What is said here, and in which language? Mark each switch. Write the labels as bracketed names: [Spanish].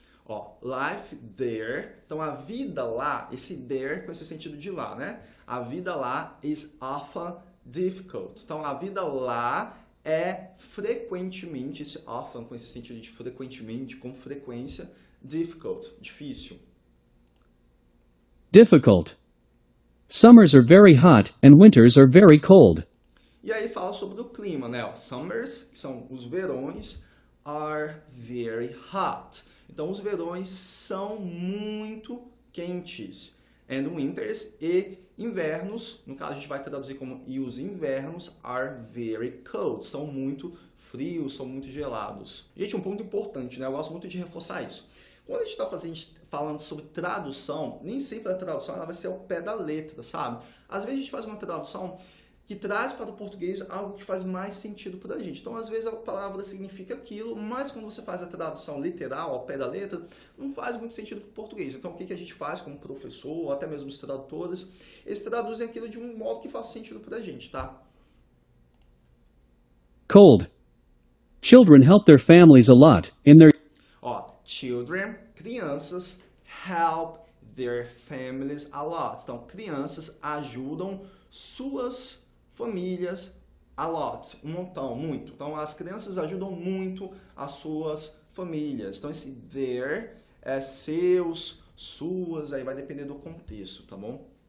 [Portuguese] Ó, [English] life there. [Portuguese] Então a vida lá, esse there com esse sentido de lá, né? A vida lá [English] is often difficult. [Portuguese] Então a vida lá é frequentemente, esse often com esse sentido de frequentemente, com frequência, difficult, difícil. [English] Difficult. Summers are very hot and winters are very cold. [Portuguese] E aí fala sobre o clima, né? Summers, que são os verões, [English] are very hot. [Portuguese] Então os verões são muito quentes. [English] And winters [Portuguese] e invernos, no caso a gente vai traduzir como e os invernos [English] are very cold. [Portuguese] São muito frios, são muito gelados. Gente, um ponto importante, né? Eu gosto muito de reforçar isso. Quando a gente está falando sobre tradução, nem sempre a tradução ela vai ser ao pé da letra, sabe? Às vezes a gente faz uma tradução que traz para o português algo que faz mais sentido para a gente. Então, às vezes a palavra significa aquilo, mas quando você faz a tradução literal, ao pé da letra, não faz muito sentido para o português. Então, o que que a gente faz como professor, ou até mesmo os tradutores? Eles traduzem aquilo de um modo que faça sentido para a gente, tá? [English] Cold. Children help their families a lot in their. [Portuguese] Ó, [English] children, crianças, help their families a lot. [Portuguese] Então, crianças ajudam suas famílias [English] a lot, [Portuguese] um montão, muito. Então as crianças ajudam muito as suas famílias. Então esse their é seus, suas, aí vai depender do contexto, tá bom?